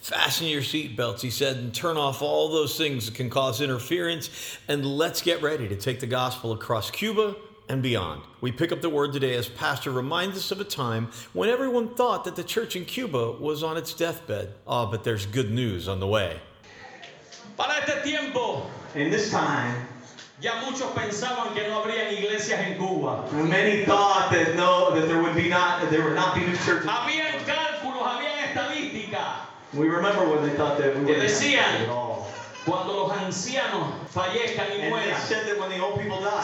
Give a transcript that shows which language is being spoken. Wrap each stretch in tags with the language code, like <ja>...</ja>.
<en>Fasten your seatbelts, he said, and turn off all those things that can cause interference, and let's get ready to take the gospel across Cuba and beyond. We pick up the word today as Pastor reminds us of a time when everyone thought that the church in Cuba was on its deathbed. Ah, but there's good news on the way.</en> <es>Para este tiempo,</es> <en>in this time,</en> <es>ya muchos pensaban que no habrían iglesias en Cuba.</es> <en>Many thought that no, that there would be not, that there would not be new churches.</en> <es>Habían cálculos, habían estadísticas.</es> <en>We remember when they thought that we were not at all.</en> <es>Cuando los ancianos fallezcan y mueran,</es> <en>and they said that when the old people die,</en>